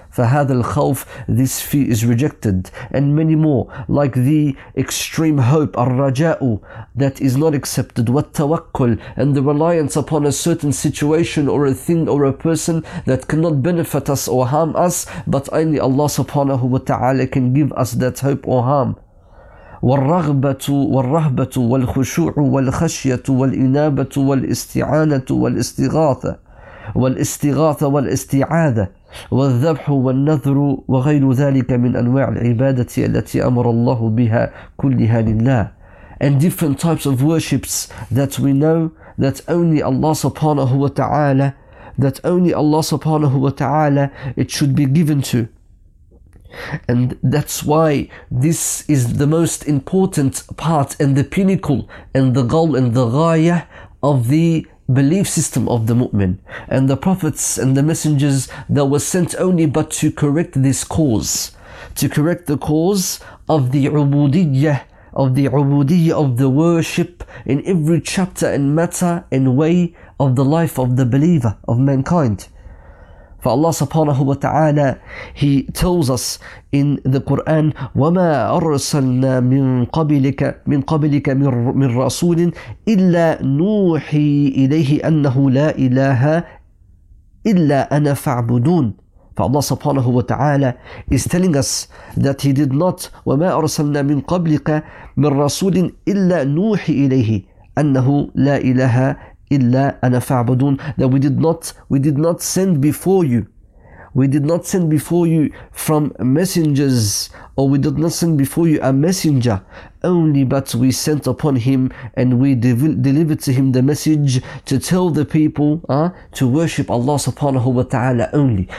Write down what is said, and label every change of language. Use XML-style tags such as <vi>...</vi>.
<ar>فَهَذَا الْخَوْفِ</ar> <en>This fear is rejected. And many more, like the extreme hope, الرَّجَاءُ, that is not accepted, وَالتَّوَكُّلُ, and the reliance upon a certain situation or a thing or a person that cannot benefit us or harm us, but only Allah subhanahu wa ta'ala can give us that hope or harm.</en> <ar>وَالرَّغْبَةُ وَالرَّهْبَةُ وَالْخُشُوعُ وَالْخَشْيَةُ وَالْإِنَابَةُ وَالْإِسْتِعَانَةُ وَالْإِسْتِغَاثَةُ والاستغاثة والاستعادة والذبح والنذر وغير ذلك من أنواع العبادة التي أمر الله بها كلها لله.</ar> <en>And different types of worships that we know that only Allah subhanahu wa ta'ala, that only Allah subhanahu wa ta'ala it should be given to. And that's why this is the most important part and the pinnacle and the goal and the ghaya of the belief system of the mu'min and the prophets and the messengers that were sent only but to correct this cause, to correct the cause of the ubudiyyah, of the ubudiyyah of the worship in every chapter and matter and way of the life of the believer, of mankind. For Allah subhanahu wa ta'ala, He tells us in the Quran,</en> <ar>وَمَا أَرْسَلْنَا مِنْ قَبْلِكَ مِنْ رَسُولٍ إِلَّا نُوحِي إِلَيْهِ أَنَّهُ لَا إِلَهَ إِلَّا أَنَا فَعْبُدُونَ.</ar> <en>For Allah subhanahu wa ta'ala is telling us that He did not,</en> <ar>وَمَا أَرْسَلْنَا مِنْ قَبْلِكَ مِنْ رَسُولٍ إِلَّا نُوحِي إِلَيْهِ أَنَّهُ لَا إِلَهَ إِلَّا أَنَا فَعْبُدُونَ.</ar> <en>That we did not send before you. We did not send before you from messengers, or we did not send before you a messenger, only but we sent upon him and we delivered to him the message to tell the people to worship Allah subhanahu wa ta'ala only.</en>